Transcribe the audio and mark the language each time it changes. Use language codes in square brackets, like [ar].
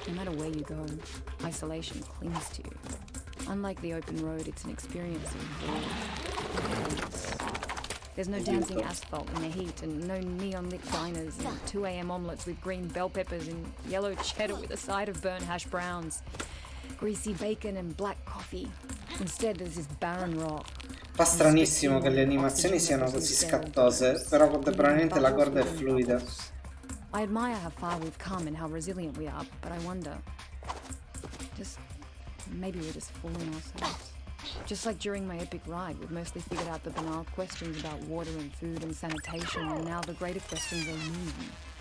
[en] No matter where you go, isolation clings to you. Unlike the open road, it's an experience of wilderness. There's no dancing asphalt in the heat and no neon lit diners and 2 a.m. omelets with green bell peppers and yellow cheddar with a side of burnt hash browns, greasy bacon and black coffee. Instead there's this barren rock. [it] Fa stranissimo che le animazioni siano così scattose, però contemporaneamente la corda è fluida. [en] I admire how far we've come and how resilient we are, but I wonder, just maybe we're just fooling ourselves. Just like during my epic ride, we've mostly figured out the banal questions about water and food and sanitation, and now the greater questions are meaning.